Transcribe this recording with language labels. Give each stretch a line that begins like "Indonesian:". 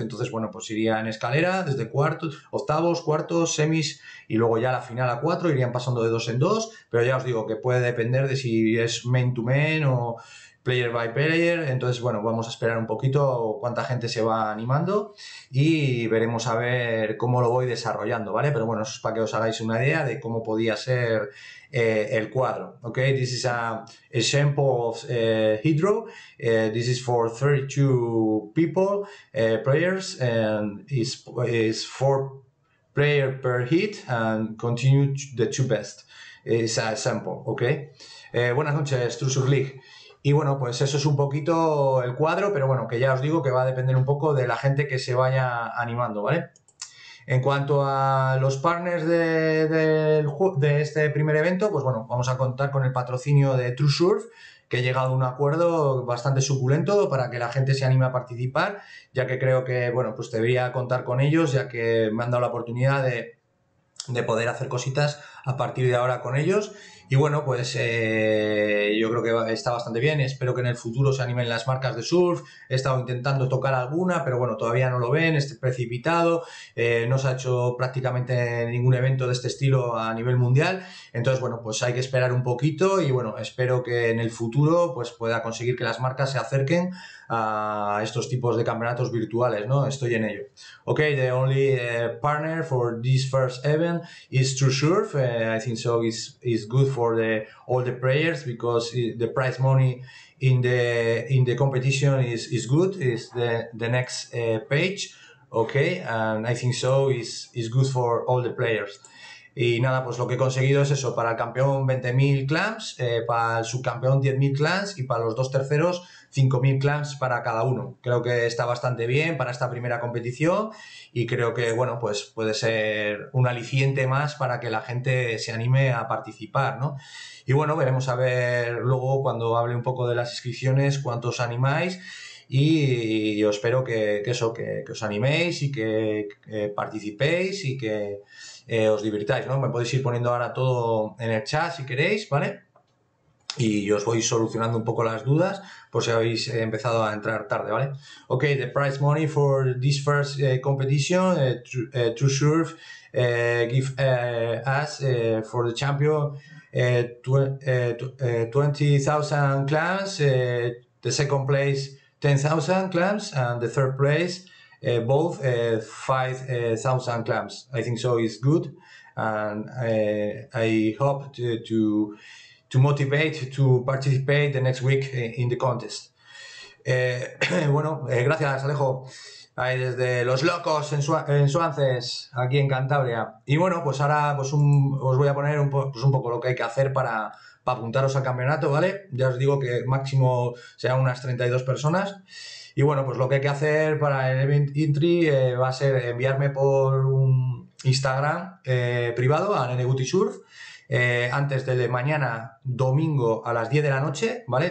Spanish: Entonces, bueno, pues iría en escalera desde cuartos, octavos, cuartos, semis y luego ya la final a cuatro, irían pasando de dos en dos, pero ya os digo que puede depender de si es
English: main to main o player by player.
Spanish: Entonces, bueno, vamos a esperar un poquito cuánta gente se va animando y veremos a ver cómo lo voy desarrollando, ¿vale? Pero bueno, eso es para que os hagáis una idea de cómo podía ser el cuadro.
English: Ok, this is a example of Hydro. This is for 32 people, players, and is four player per hit and continue the two best. It's a example, ok.
Spanish: Buenas noches, Trusur League. Y bueno, pues eso es un poquito el cuadro, pero bueno, que ya os digo que va a depender un poco de la gente que se vaya animando, ¿vale? En cuanto a los partners de este primer evento, pues bueno, vamos a contar con el patrocinio de TrueSurf, que he llegado a un acuerdo bastante suculento para que la gente se anime a participar, ya que creo que, bueno, pues debería contar con ellos, ya que me han dado la oportunidad de poder hacer cositas a partir de ahora con ellos. Y bueno, pues yo creo que está bastante bien. Espero que en el futuro se animen las marcas de surf. He estado intentando tocar alguna, pero bueno, todavía no lo ven. Es precipitado. No se ha hecho prácticamente ningún evento de este estilo a nivel mundial. Entonces, bueno, pues hay que esperar un poquito. Y bueno, espero que en el futuro pues pueda conseguir que las marcas se acerquen a estos tipos de campeonatos virtuales, ¿no? Estoy en ello.
English: Ok, the only partner for this first event is TrueSurf. I think so is good for the all the players, because the prize money in the competition is good. Is the next page, okay? And I think so is good for all the players.
Spanish: Y nada, pues lo que he conseguido es eso, para el campeón 20.000 clams, para el subcampeón 10.000 clams y para los dos terceros 5.000 clams para cada uno. Creo que está bastante bien para esta primera competición y creo que, bueno, pues puede ser un aliciente más para que la gente se anime a participar, ¿no? Y bueno, veremos a ver luego cuando hable un poco de las inscripciones cuántos animáis. Y yo espero que os animéis y que participéis y que os divirtáis, ¿no? Me podéis ir poniendo ahora todo en el chat si queréis, ¿vale? Y yo os voy solucionando un poco las dudas por si habéis empezado a entrar tarde, ¿vale?
English: Ok, the prize money for this first competition, TrueSurf, give us for the champion 20,000 clams, the second place 10,000 clams, and the third place, both 5,000 clams. I think so is good, and I hope to motivate to participate the next week in the contest.
Spanish: Bueno, gracias Alejo. Ahí desde Los Locos en Suances, aquí en Cantabria. Y bueno, pues ahora pues os voy a poner un poco lo que hay que hacer para apuntaros al campeonato, ¿vale? Ya os digo que máximo sean unas 32 personas. Y bueno, pues lo que hay que hacer para el event entry va a ser enviarme por un Instagram privado a NNGutiSurf antes del de mañana, domingo a las 10 de la noche, ¿vale?